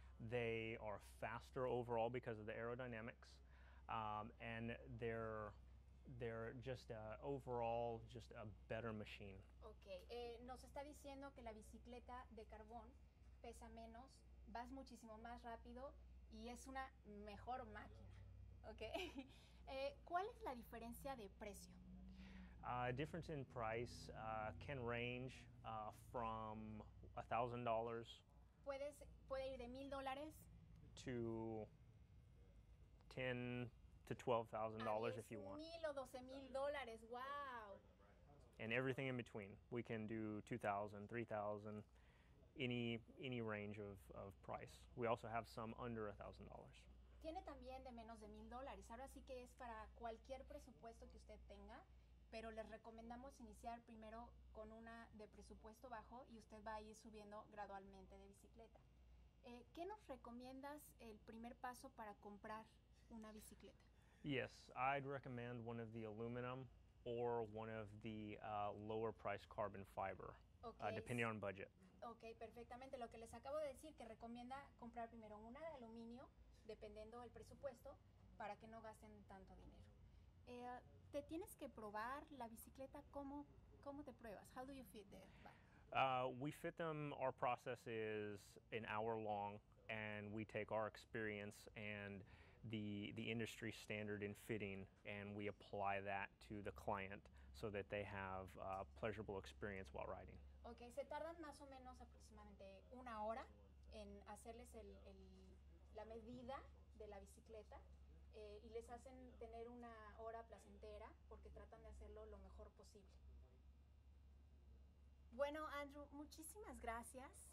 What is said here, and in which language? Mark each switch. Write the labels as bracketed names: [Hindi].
[English] They are faster overall because of the aerodynamics. And they're just overall just a better machine. [Spanish] Okay, nos está diciendo que la bicicleta de carbón pesa menos, vas muchísimo más rápido y es una mejor máquina. Okay, ¿cuál es la diferencia de precio? [English] Difference in price can range from $1,000. [Spanish] Puede ir de $1,000 [English] to $10,000 to $12,000 if you want. $1,000 or $12,000. Wow. And everything in between. We can do $2,000, $3,000, any range of price. We also have some under $1,000. [Spanish] Tiene también de menos de $1,000. Ahora sí que es para cualquier presupuesto que usted tenga. Pero les recomendamos iniciar primero con una de presupuesto bajo y usted va a ir subiendo gradualmente de bicicleta. ¿Qué nos recomiendas el primer paso para comprar una bicicleta? [English] Yes, I'd recommend one of the aluminum or one of the lower price carbon fiber, okay. Depending on budget. [Spanish] Ok, perfectamente. Lo que les acabo de decir, que recomienda comprar primero una de aluminio, dependiendo del presupuesto, para que no gasten tanto dinero. Te tienes que probar la bicicleta. ¿Cómo te pruebas? [English] How do you fit the bike? We fit them. Our process is an hour long, and we take our experience and the industry standard in fitting, and we apply that to the client so that they have a pleasurable experience while riding. [Spanish] Okay, se tardan más o menos aproximadamente una hora en hacerles la medida de la bicicleta. Y les hacen tener una hora placentera porque tratan de hacerlo lo mejor posible. Bueno, Andrew, muchísimas gracias.